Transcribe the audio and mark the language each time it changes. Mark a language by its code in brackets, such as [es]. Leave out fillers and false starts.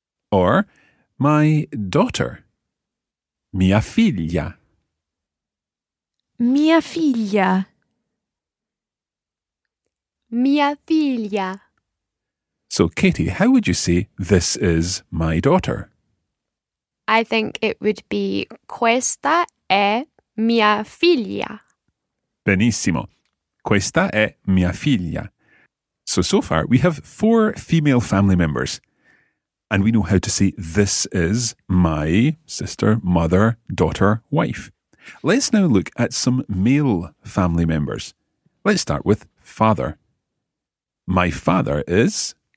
[en] Or my daughter. [it] Mia figlia. Mia figlia. Mia figlia. [en] So, Katie, how would you say this is my daughter? I think it would be [it] questa è mia figlia. Benissimo. Questa è mia figlia. [en] So far we have four female family members. And we know how to say this is my sister, mother, daughter, wife. Let's now look at some male family members. Let's start with father. My father is...